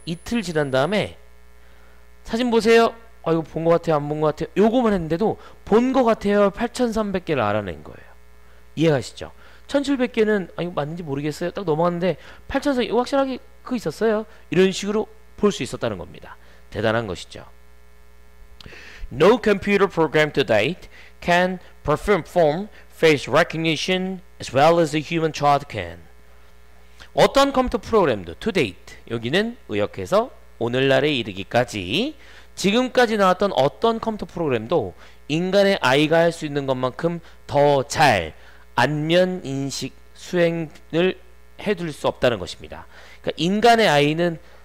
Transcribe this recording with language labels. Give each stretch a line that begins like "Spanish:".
Korean: 이틀 지난 다음에 사진 보세요. 아 이거 본 것 같아요? 안 본 것 같아요? 요거만 했는데도 본 것 같아요. 8,300개를 알아낸 거예요. 이해가시죠? 1,700개는 아 이거 맞는지 모르겠어요. 딱 넘어갔는데 8,300개 이거 확실하게 그거 있었어요. 이런 식으로 볼 수 있었다는 겁니다. 대단한 것이죠.
English: No computer program to date can perform face recognition as well as a human child can.
Korean: 어떤 컴퓨터 프로그램도 to date, 여기는 의역해서 오늘날에 이르기까지 지금까지 나왔던 어떤 컴퓨터 프로그램도 인간의 아이가 할 수 있는 것만큼 더 잘 안면 인식 수행을 해둘 수 없다는 것입니다. 그러니까 인간의 아이는